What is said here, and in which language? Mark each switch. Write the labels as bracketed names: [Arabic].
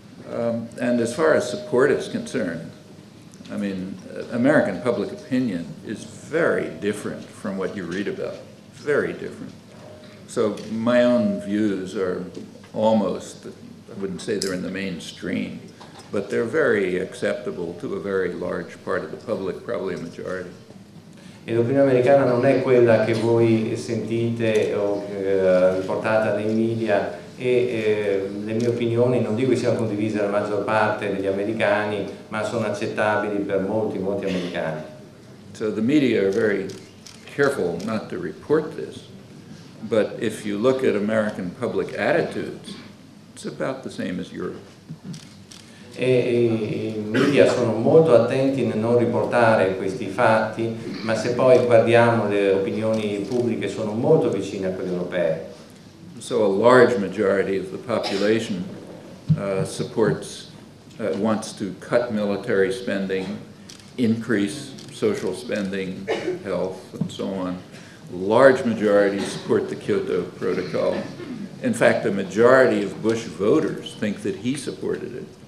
[English] And as far as support is concerned, I mean, American public opinion is very different from what you read about, very different. So my own views are almost, I wouldn't say they're in the mainstream, but they're very acceptable to a very large part of the public, probably a majority. [Italian] E l'opinione americana non è quella che voi sentite o riportata nei media, e le mie opinioni non dico che siano condivise dalla maggior parte degli americani, ma sono accettabili per molti, molti americani. [English] So the media are very careful not to report this, but if you look at American public attitudes, it's about the same as Europe. [Italian] E i media sono molto attenti nel non riportare questi fatti, ma se poi guardiamo le opinioni pubbliche sono molto vicine a quelle europee. [English] So a large majority of the population supports, wants to cut military spending, increase social spending, health, and so on. Large majority support the Kyoto Protocol. In fact, a majority of Bush voters think that he supported it.